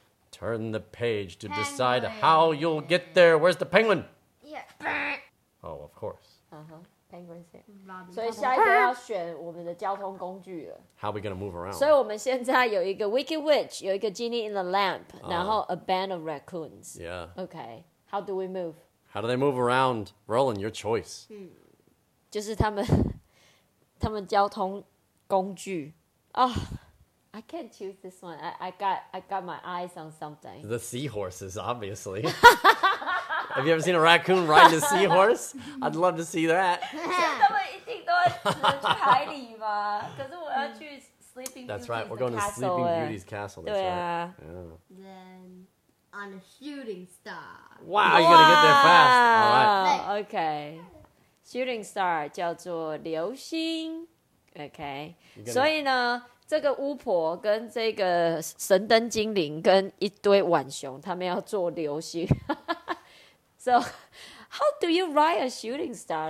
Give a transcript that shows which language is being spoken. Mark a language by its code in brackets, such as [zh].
[en] Turn the page to decide how you'll get there. Where's the penguin? Yeah. Oh, of course. Penguin's here. [zh] 所以下一个要选我们的交通工具了。 [en] How are we going to move around? [zh] 所以我们现在有一个 Wicked Witch, 有一个 Genie in the Lamp, 然后 [en] a band of raccoons. Yeah. Okay. How do we move? How do they move around? Roland, your choice. Hmm. [zh] 就是他们交通工具。 [en] Oh, I can't choose this one. I got my eyes on something. The seahorses, obviously. Have you ever seen a raccoon ride a seahorse? I'd love to see that. [zh] 他们一定都只能去海里吗？可是我要去 Sleeping Beauty's [en] That's right, we're going castle, to Sleeping Beauty's castle. [zh] 对啊。 [en] Right. Yeah. Then on a shooting star. Wow, you're going to get there fast. All right. [zh] Okay. Shooting star 叫做流星 ，OK。所以呢，这个巫婆跟这个神灯精灵跟一堆浣熊，他们要做流星。 [en] So, how do you ride a shooting star?